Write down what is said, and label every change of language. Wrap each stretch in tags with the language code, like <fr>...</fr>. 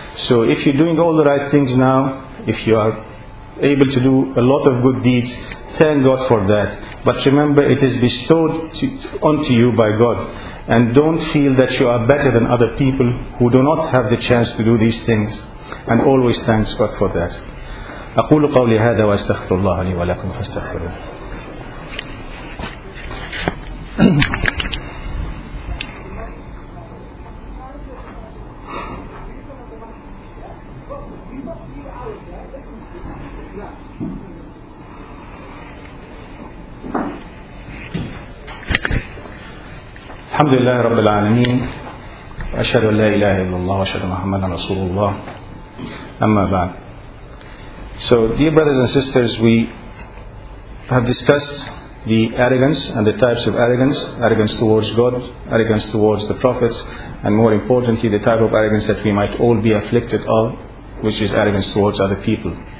<en>So if you're doing all the right things now, if you are able to do a lot of good deeds, thank God for that. But remember, it is bestowed onto you by God. And don't feel that you are better than other people who do not have the chance to do these things. And always thanks God for that.</en> <ar>أقول قولي هذا وأستغفر الله لي ولكم فاستغفروه. الحمد لله رب العالمين، أشهد أن لا إله إلا الله وأشهد محمد رسول الله. أما بعد.</ar> <en>So, dear brothers and sisters, we have discussed the arrogance and the types of arrogance, arrogance towards God, arrogance towards the prophets, and more importantly, the type of arrogance that we might all be afflicted of, which is arrogance towards other people.</en>